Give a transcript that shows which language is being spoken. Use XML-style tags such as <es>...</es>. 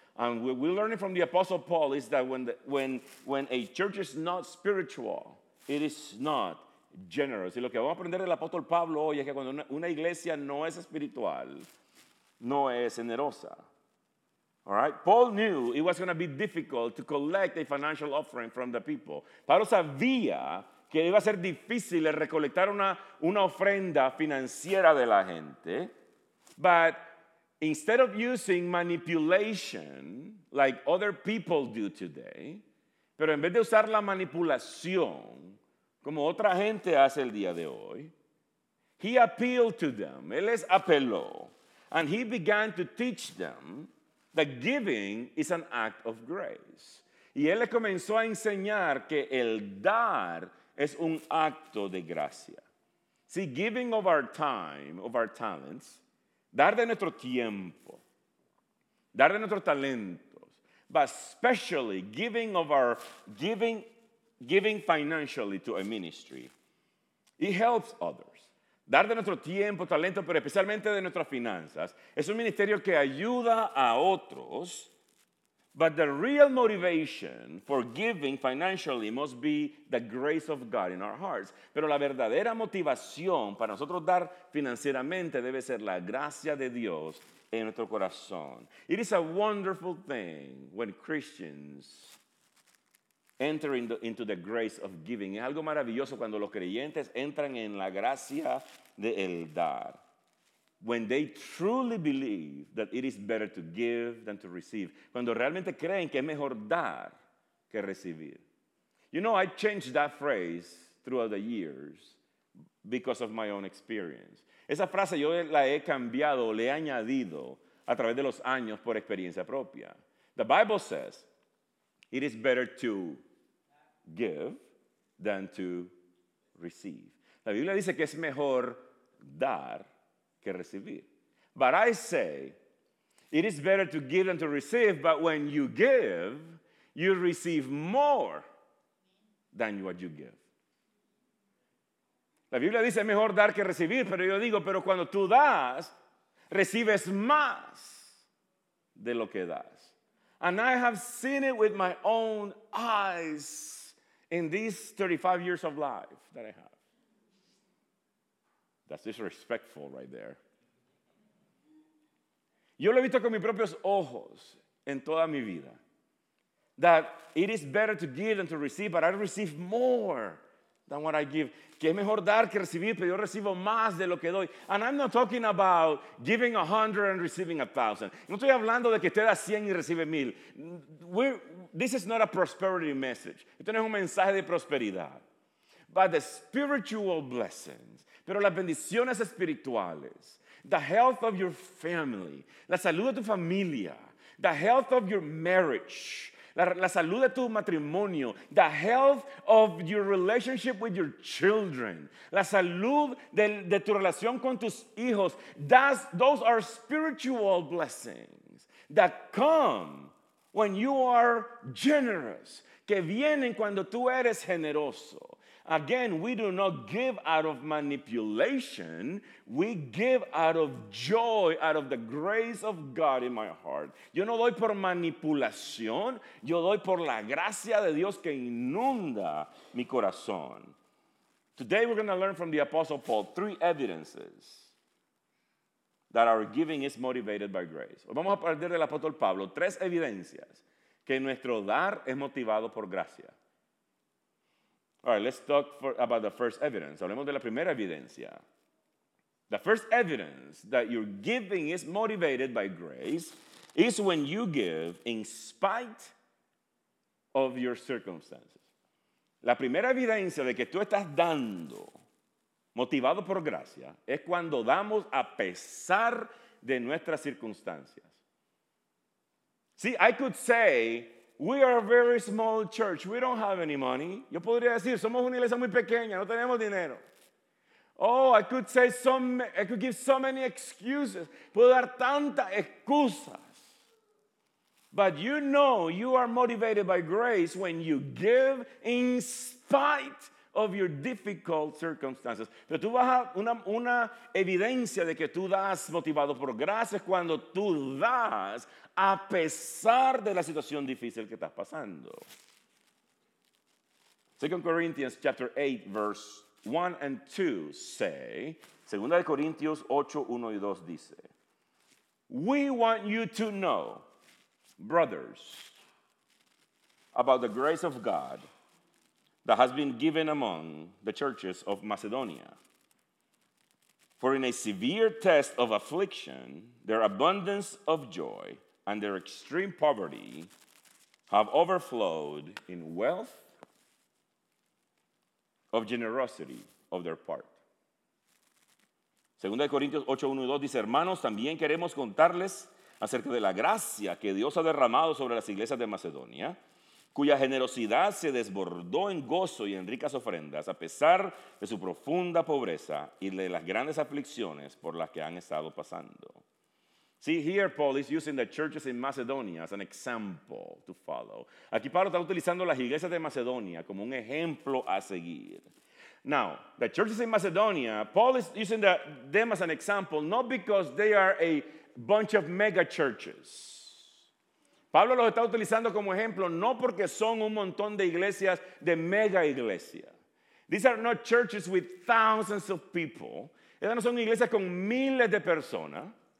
<en>And what we're learning from the Apostle Paul is that when a church is not spiritual, it is not generous.</en> <es>Y lo que vamos a aprender del Apóstol Pablo hoy es que cuando una iglesia no es espiritual, no es generosa.</es> <en>All right? Paul knew it was going to be difficult to collect a financial offering from the people.</en> <es>Pablo sabía que iba a ser difícil recolectar una ofrenda financiera de la gente.</es> <en>But instead of using manipulation like other people do today,</en> <es>pero en vez de usar la manipulación como otra gente hace el día de hoy,</es> <en>he appealed to them.</en> <es>Él les apeló.</es> <en>And he began to teach them that giving is an act of grace.</en> <es>Y él les comenzó a enseñar que el dar es un acto de gracia.</es> <en>See, giving of our time, of our talents,</en> <es>dar de nuestro tiempo, dar de nuestros talentos,</es> <en>but especially giving financially to a ministry, it helps others.</en> <es>Dar de nuestro tiempo, talento, pero especialmente de nuestras finanzas, es un ministerio que ayuda a otros,</es> <en>but the real motivation for giving financially must be the grace of God in our hearts.</en> <es>Pero la verdadera motivación para nosotros dar financieramente debe ser la gracia de Dios en nuestro corazón.</es> <en>It is a wonderful thing when Christians enter into the grace of giving.</en> <es>Es algo maravilloso cuando los creyentes entran en la gracia del dar.</es> <en>When they truly believe that it is better to give than to receive.</en> <es>Cuando realmente creen que es mejor dar que recibir.</es> <en>You know, I changed that phrase throughout the years because of my own experience.</en> <es>Esa frase yo la he cambiado, le he añadido a través de los años por experiencia propia.</es> <en>The Bible says, it is better to give than to receive.</en> <es>La Biblia dice que es mejor dar que recibir.</es> <en>But I say, it is better to give than to receive, but when you give, you receive more than what you give.</en> <es>La Biblia dice, es mejor dar que recibir, pero yo digo, pero cuando tú das, recibes más de lo que das.</es> <en>And I have seen it with my own eyes in these 35 years of life that I have. That's disrespectful right there.</en> <es>Yo lo he visto con mis propios ojos en toda mi vida.</es> <en>That it is better to give than to receive, but I receive more than what I give.</en> <es>Que es mejor dar que recibir, pero yo recibo más de lo que doy.</es> <en>And I'm not talking about giving 100 and receiving 1,000.</en> <es>No estoy hablando de que usted da 100 y recibe 1,000.</es> <en>This is not a prosperity message.</en> <es>Esto no es un mensaje de prosperidad.</es> <en>But the spiritual blessings,</en> <es>pero las bendiciones espirituales,</es> <en>the health of your family,</en> <es>la salud de tu familia,</es> <en>the health of your marriage,</en> <es>la salud de tu matrimonio,</es> <en>the health of your relationship with your children,</en> <es>la salud de tu relación con tus hijos,</es> <en>those are spiritual blessings that come when you are generous,</en> <es>que vienen cuando tú eres generoso.</es> <en>Again, we do not give out of manipulation. We give out of joy, out of the grace of God in my heart.</en> <es>Yo no doy por manipulación. Yo doy por la gracia de Dios que inunda mi corazón.</es> <en>Today, we're going to learn from the Apostle Paul three evidences that our giving is motivated by grace.</en> <es>Hoy vamos a aprender del Apóstol Pablo tres evidencias que nuestro dar es motivado por gracia.</es> <en>All right, let's talk about the first evidence.</en> <es>Hablemos de la primera evidencia.</es> <en>The first evidence that your giving is motivated by grace is when you give in spite of your circumstances.</en> <es>La primera evidencia de que tú estás dando motivado por gracia es cuando damos a pesar de nuestras circunstancias.</es> <en>See, I could say, we are a very small church. We don't have any money.</en> <es>Yo podría decir, somos una iglesia muy pequeña, no tenemos dinero.</es> <en>Oh, I could give so many excuses.</en> <es>Puedo dar tantas excusas.</es> <en>But you know you are motivated by grace when you give in spite of your difficult circumstances.</en> <es>Pero tú vas a una evidencia de que tú das motivado por gracia cuando tú das a pesar de la situación difícil que estás pasando.</es> <en>2 Corinthians chapter 8, verse 1 and 2 say, 2 Corinthians 8,</en> <es>1 y 2 dice,</es> <en>we want you to know, brothers, about the grace of God that has been given among the churches of Macedonia. For in a severe test of affliction, their abundance of joy and their extreme poverty have overflowed in wealth of generosity of their part.</en> <es>2 Corintios 8, 1 y 2 dice, hermanos, también queremos contarles acerca de la gracia que Dios ha derramado sobre las iglesias de Macedonia, cuya generosidad se desbordó en gozo y en ricas ofrendas a pesar de su profunda pobreza y de las grandes aflicciones por las que han estado pasando.</es> <en>See, here Paul is using the churches in Macedonia as an example to follow.</en> <es>Aquí Pablo está utilizando las iglesias de Macedonia como un ejemplo a seguir.</es> <en>Now, the churches in Macedonia, Paul is using them as an example, not because they are a bunch of mega churches.</en> <es>Pablo los está utilizando como ejemplo no porque son un montón de iglesias, de mega iglesias.</es> <en>These are not churches with thousands of people.</en> <es>Estas no son iglesias con miles de personas.</es>